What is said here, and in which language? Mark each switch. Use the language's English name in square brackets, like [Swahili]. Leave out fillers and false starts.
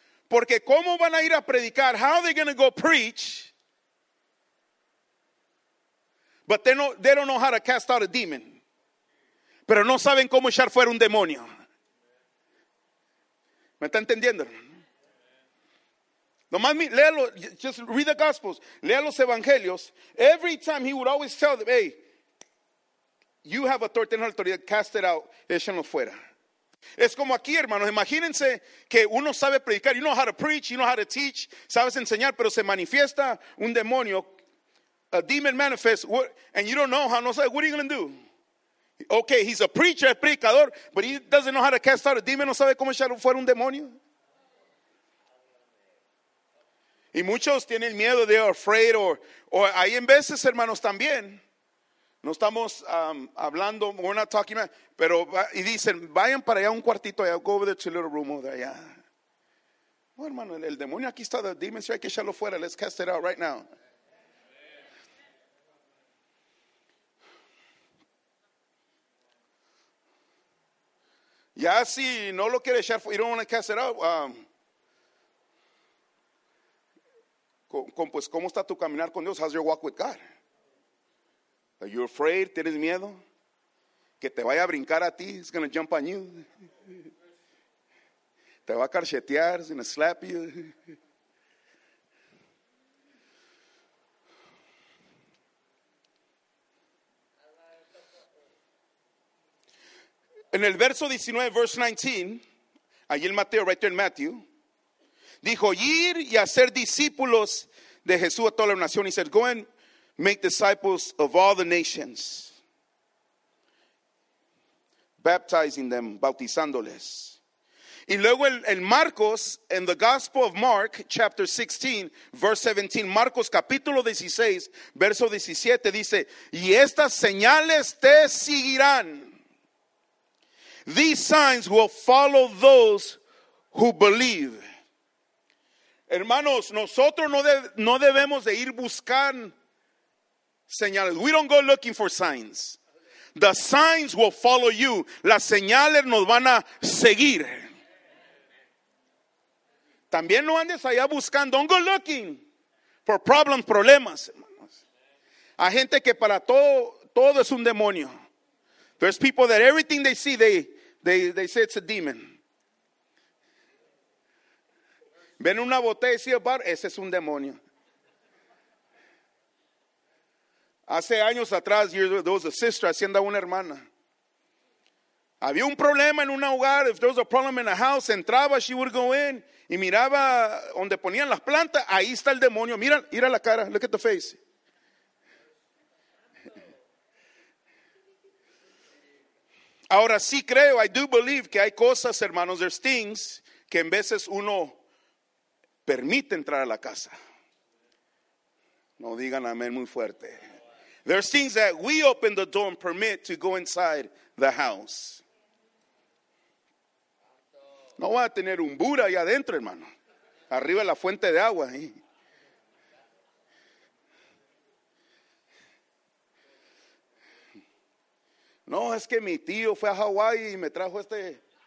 [Spanish] Porque cómo van a ir a predicar, [English] how are they going to go preach, but they don't know how to cast out a demon. [Spanish] Pero no saben cómo echar fuera un demonio. ¿Me está entendiendo? Nomás, léalo, [English] just read the gospels, [Spanish] lea los evangelios. [English] Every time he would always tell them, hey, you have authority, [Spanish] tienes autoridad, [English] cast it out, [Spanish] échenlo fuera. Es como aquí, hermanos, imagínense que uno sabe predicar, [English] you know how to preach, you know how to teach, [Spanish] sabes enseñar, pero se manifiesta un demonio, [English] a demon manifests, and you don't know how, [Spanish] no sabes, [English] what are you going to do? Okay, he's a preacher, [Spanish] es predicador, [English] but he doesn't know how to cast out a demon. [Spanish] No sabe cómo echar fuera un demonio. Y muchos tienen miedo, [English] they are afraid, [Spanish] or hay en veces, hermanos, también. No estamos hablando, [English] we're not talking about, [Spanish] pero y dicen, vayan para allá un cuartito allá, [English] go over there to a little room over [Spanish] allá. No, hermano, el demonio aquí está, [English] the demon, [Spanish] so hay que echarlo fuera. [English] Let's cast it out right now. [Spanish] Ya si no lo quiere echar, [English] you don't want to cast it out. [Spanish] Pues, ¿cómo está tu caminar con Dios? [English] How's your walk with God? Are you afraid? [Spanish] ¿Tienes miedo? Que te vaya a brincar a ti. [English] It's going to jump on you. [Spanish] Te va a carchetear. [English] It's going to slap you. [Spanish] En el verso 19, [English] verse 19, [Spanish] allí en Mateo, [English] right there in Matthew, [Spanish] dijo, ir y hacer discípulos de Jesús a toda la nación. [English] He said, go and make disciples of all the nations. baptizing them, [Spanish] bautizándoles. Y luego en Marcos, en [English] the Gospel of Mark, chapter 16, verse 17, [Spanish] Marcos capítulo 16, verso 17, dice, y estas señales te seguirán. [English] These signs will follow those who believe. [Spanish] Hermanos, nosotros no debemos de ir buscar señales. [English] We don't go looking for signs. The signs will follow you. [Spanish] Las señales nos van a seguir. También no andes allá buscando. [English] Don't go looking for problems, [Spanish] problemas. Hermanos. Hay gente que para todo es un demonio. [English] There's people that everything they see, they say it's a demon. [Spanish] Ven una botella y dice, bar, ese es un demonio. Hace años atrás, [English] there was a sister, [Spanish] hacienda una hermana. Había un problema en un hogar. [English] If there was a problem in a house, [Spanish] entraba, [English] she would go in. [Spanish] Y miraba donde ponían las plantas, ahí está el demonio. Mira la cara, [English] look at the face. [Spanish] Ahora sí creo, [English] I do believe, [Spanish] que hay cosas, hermanos, [English] there's things, [Spanish] que en veces uno permite entrar a la casa. No digan amén muy fuerte. [English] There's things that we open the door and permit to go inside the house. [Spanish] No va a tener un bura allá adentro, hermano. Arriba la fuente de agua. ¿Eh? No, es que mi tío fue a Hawaii y me trajo este.